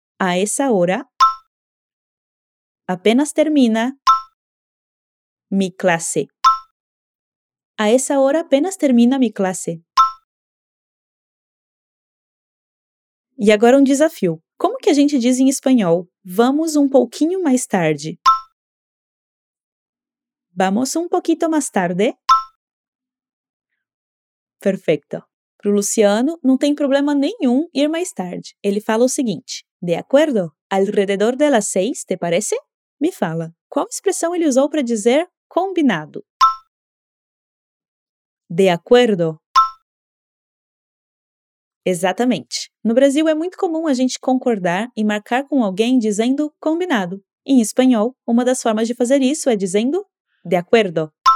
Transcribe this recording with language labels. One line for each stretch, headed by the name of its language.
Spanish: A essa hora, apenas termina mi clase. A essa hora, apenas termina mi clase.
Portuguese: E agora um desafio. Como que a gente diz em espanhol? Vamos um pouquinho mais tarde.
Spanish: Vamos un poquito más tarde. Perfecto.
Portuguese: Para o Luciano, não tem problema nenhum ir mais tarde. Ele fala o seguinte.
Spanish: De acuerdo, alrededor de las 6, te parece?
Portuguese: Me fala. Qual expressão ele usou para dizer combinado?
Spanish: De acuerdo.
Portuguese: Exatamente. No Brasil, é muito comum a gente concordar e marcar com alguém dizendo combinado. Em espanhol, uma das formas de fazer isso é dizendo
Spanish: de acuerdo.